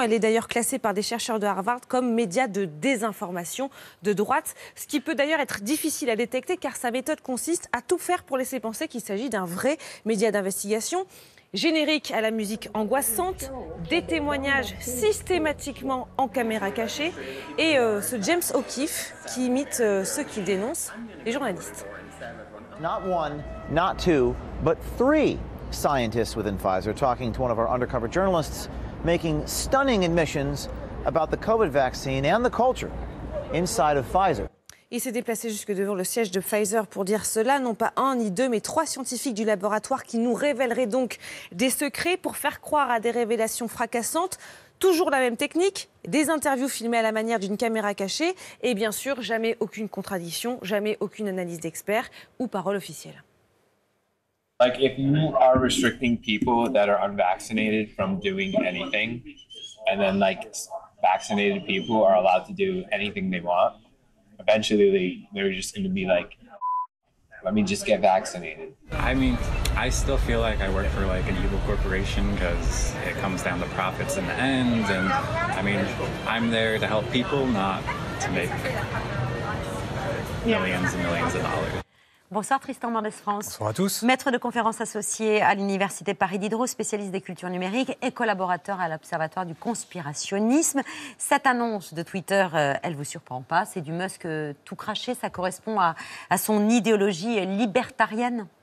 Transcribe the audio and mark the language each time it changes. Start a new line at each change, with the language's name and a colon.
French: Elle est d'ailleurs classée par des chercheurs de Harvard comme média de désinformation de droite, ce qui peut d'ailleurs être difficile à détecter car sa méthode consiste à tout faire pour laisser penser qu'il s'agit d'un vrai média d'investigation. Générique à la musique angoissante, des témoignages systématiquement en caméra cachée et ce James O'Keefe qui imite ceux qu'il dénonce, les journalistes.
English: Not one, not two, but three scientists within Pfizer talking to one of our undercover journalists, making stunning admissions about the COVID vaccine and the culture inside of Pfizer.
French: Il s'est déplacé jusque devant le siège de Pfizer pour dire cela. Non pas un ni deux, mais trois scientifiques du laboratoire qui nous révéleraient donc des secrets pour faire croire à des révélations fracassantes. Toujours la même technique, des interviews filmées à la manière d'une caméra cachée et bien sûr, jamais aucune contradiction, jamais aucune analyse d'experts ou parole officielle.
English: Like if you are restricting people that are unvaccinated from doing anything and then like vaccinated people are allowed to do anything they want, eventually they're just going to be like, let me just get vaccinated. I mean, I still feel like I work for like an evil corporation because it comes down to profits in the end. And I mean, I'm there to help people, not to make millions and millions of dollars.
French: Bonsoir Tristan Mendès-France. Bonsoir à tous. Maître de conférences associé à l'Université Paris Diderot, spécialiste des cultures numériques et collaborateur à l'Observatoire du conspirationnisme. Cette annonce de Twitter, elle vous surprend pas? C'est du Musk tout craché? Ça correspond à son idéologie libertarienne?